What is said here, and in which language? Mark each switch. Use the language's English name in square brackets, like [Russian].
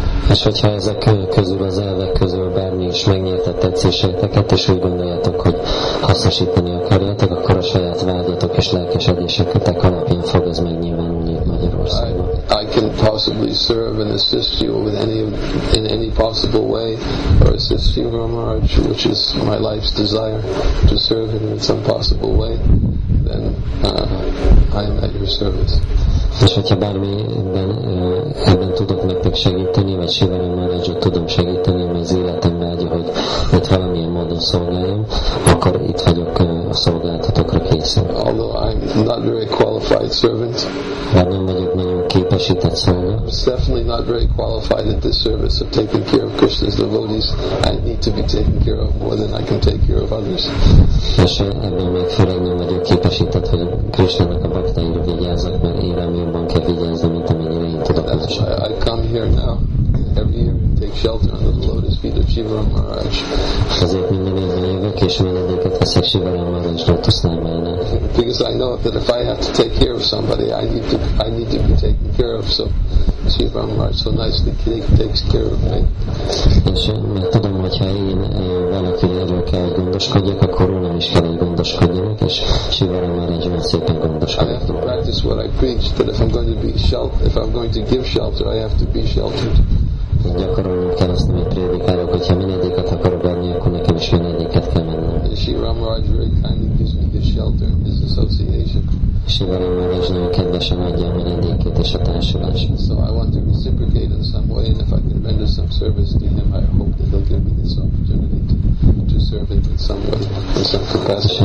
[Hungarian] És hogyha ezek közül, az elvek közül bármi is megnyerte tetszéseiteket, és úgy gondoljátok, hogy hasznosítani akarjátok, akkor a saját vágyatok és lelkesedésetek alapján fog ez megnyilvánulni Magyarországon. [English] I can possibly serve and assist you with in any possible way, or assist you, Ramaraj, which is my life's desire, to serve him in some possible way, then I am at your service. [Hungarian] És hogyha bármiben ebben tudok nektek segíteni, vagy Sivani Maharajot tudom segíteni, ami az életem vágya, hogy ott valamilyen módon szolgáljam, akkor itt vagyok a szolgáltatokra készen. [English] Although I'm not very qualified servant. [Hungarian] Bár nem vagyok nagyon képesített szolga. [English] I'm definitely not very qualified at this service of taking care of Krishna's devotees. I need to be taken care of more than I can take care of others. [Hungarian] És ebben még főleg nem vagyok képesített, hogy Krishna-nak a baktáira vigyázzak, mert élem jobban kell vigyázni, mint amennyire én tudok. [English] That's why I come here now. Every year we take shelter under the lotus feet of Shiva Maharaj. [Hungarian] Ezért minden évben jövök, és menedéket veszek Shiva Maharaj lotus lábánál. [English] Because I know that if I have to take care of somebody, I need to be taken care of. So Shiva Maharaj so nicely takes care of me. [Hungarian] És mert tudom, hogyha én valakiről kell gondoskodjak, akkor rólam is kell gondoskodjanak, és Shiva Maharaj olyan szépen gondoskodik. [English] I have to practice what I preach, that if I'm going to give shelter, I have to be sheltered. [Hungarian] Gyakorolnom kell azt, amit prédikálok, hogyha menedéket akarok adni, akkor nekem is menedéket kell mennem. [English] Shiva Maharaj very kindly gives me his shelter and his association. [Hungarian] Shiva Maharaj nagyon kedvesen adja a menedéket és a társulását. [English] So I want to reciprocate in some way, and if I can render some service to him, I hope that he'll give me this opportunity to serve him in some way, in some capacity.